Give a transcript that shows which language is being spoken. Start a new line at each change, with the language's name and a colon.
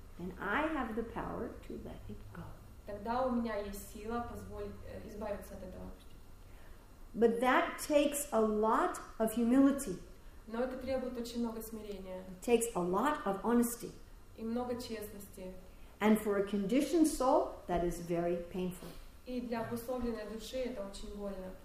English: then I have the power to let it go.
Russian: Тогда у меня есть сила позволить избавиться от этого.
English: But that takes a lot of humility.
Russian: Но это требует очень много смирения.
English: It takes a lot of honesty.
Russian: И много честности.
English: And for a conditioned soul, that is very painful.
Russian: И для обусловленной души это очень больно.